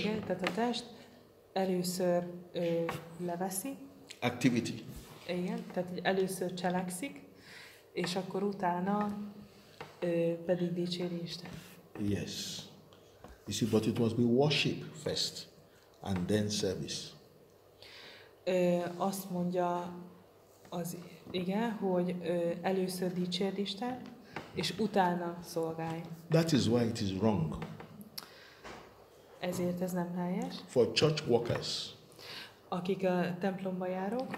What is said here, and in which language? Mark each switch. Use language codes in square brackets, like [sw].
[hu] Igen, tehát a test először leveszi. [en] Activity. [hu] Igen, tehát először cselekszik, és akkor utána pedig dicséri Isten. [en] Yes. You see, but it must be worship first, and then service. [hu] Azt mondja az igen, hogy először dicsérd Isten, és utána szolgálj. [en] That is why it is wrong. [hu] Ezért ez nem helyes. [en] For church workers. [hu] Akik a templomba járók.